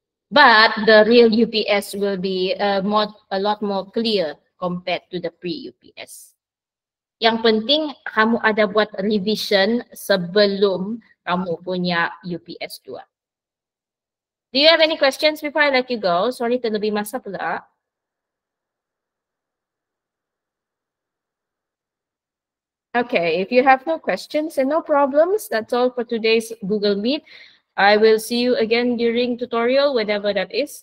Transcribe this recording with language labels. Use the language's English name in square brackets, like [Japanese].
[English] But the real UPS will be a lot more clear compared to the pre-UPS. [Malay] Yang penting kamu ada buat revision sebelum kamu punya UPS 2. [English] Do you have any questions before I let you go? Sorry [Malay] terlebih masa pula. [English] Okay, if you have no questions and no problems, that's all for today's Google Meet. I will see you again during tutorial, whenever that is.